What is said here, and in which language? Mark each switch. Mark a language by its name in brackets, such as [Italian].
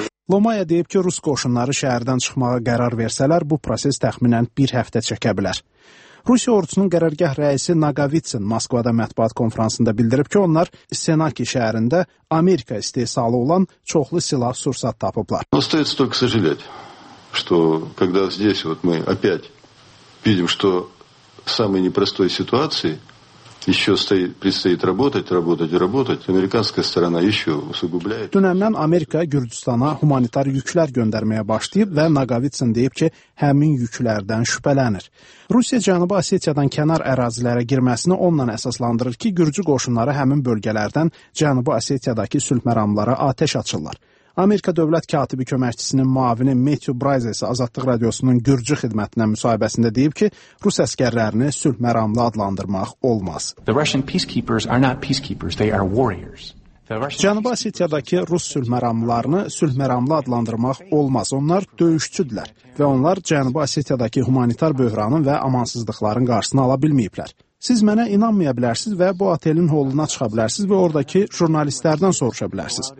[Azerbaijani] Lomaya deyib ki, Rus qoşunları şəhərdən çıxmağa qərar versələr, bu proses təxminən bir həftə çəkə bilər. Rusiya ordusunun qərargah rəisi Nagavitsin Moskvada mətbuat konfransında bildirib ki, onlar Senaki şəhərində Amerika istehsalı olan çoxlu silah sursat tapıblar. [Russian] Остается только сожалеть, что когда здесь вот мы опять видим, что в самой непростой ситуации еще предстоит работать. Американская сторона еще усугубляет. [Azerbaijani] Dünəndən Amerika Gürcüstana humanitar yüklər göndərməyə başlayıb və Nagavitsin deyib ki, həmin yüklərdən şübhələnir. Rusiya Cənubi Osetiyadan kənar ərazilərə girməsini onunla əsaslandırır ki, Gürcü qoşunları həmin bölgələrdən Cənubi Osetiyadakı sülh məramlara atəş açırlar. Amerika dövlət katibi köməkçisinin müavini Matthew Bryce isə Azadlıq Radiosunun Gürcü xidmətinə müsahibəsində deyib ki, Rus əskərlərini sülh məramlı adlandırmaq olmaz. [English] The Russian peacekeepers are not peacekeepers, they are warriors. [Azerbaijani] Cənubi Asitiyadakı Rus sülh məramlarını sülh məramlı adlandırmaq olmaz. Onlar döyüşçüdürlər və onlar Cənubi Asitiyadakı humanitar böhranın və amansızlıqların qarşısını ala bilməyiblər. Siz mənə inanmaya bilərsiniz və bu otelin holuna çıxa bilərsiniz və oradakı jurnalistlərdən soruşa bilərsiniz.